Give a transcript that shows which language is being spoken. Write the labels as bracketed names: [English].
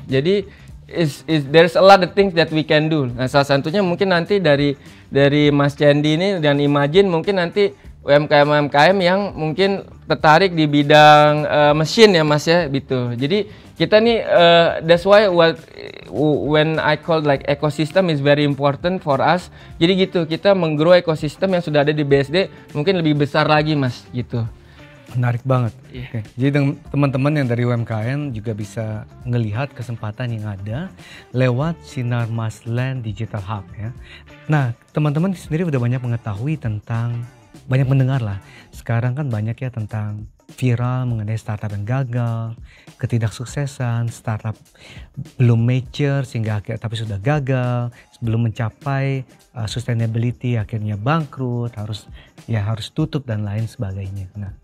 [English] Jadi there's a lot of things that we can do. [Indonesian] Nah, salah satunya mungkin nanti dari Mas Chandy ini dan Imagine mungkin nanti UMKM-UMKM yang mungkin tertarik di bidang mesin ya, Mas ya, gitu. Jadi kita nih [English] that's why when I call like ecosystem is very important for us. [Indonesian] Jadi gitu, kita menggrow ekosistem yang sudah ada di BSD mungkin lebih besar lagi, Mas, gitu. Menarik banget. Yeah. Okay. Jadi teman-teman yang dari UMKM juga bisa ngelihat kesempatan yang ada lewat Cinemasland Digital Hub ya. Nah, teman-teman sendiri udah banyak mengetahui tentang, banyak mendengar lah, sekarang kan banyak ya tentang viral mengenai startup yang gagal, ketidaksuksesan, startup belum mature sehingga akhir tapi sudah gagal, belum mencapai sustainability akhirnya bangkrut, harus tutup dan lain sebagainya.